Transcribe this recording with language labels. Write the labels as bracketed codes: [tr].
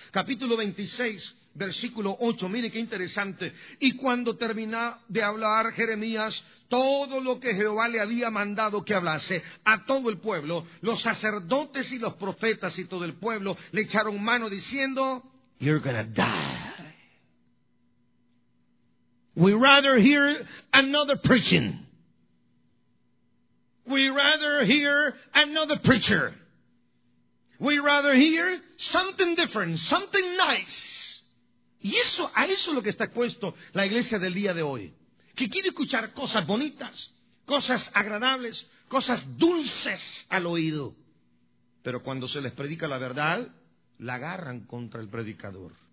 [es] Capítulo 26, versículo 8. Mire qué interesante. Y cuando termina de hablar Jeremías todo lo que Jehová le había mandado que hablase a todo el pueblo, los sacerdotes y los profetas y todo el pueblo le echaron mano diciendo, [en] you're gonna die. We'd rather hear another preaching. We'd rather hear another preacher. We'd rather hear something different, something nice. [es] Y eso, a eso es lo que está expuesto la iglesia del día de hoy. Que quiere escuchar cosas bonitas, cosas agradables, cosas dulces al oído. Pero cuando se les predica la verdad, la agarran contra el predicador.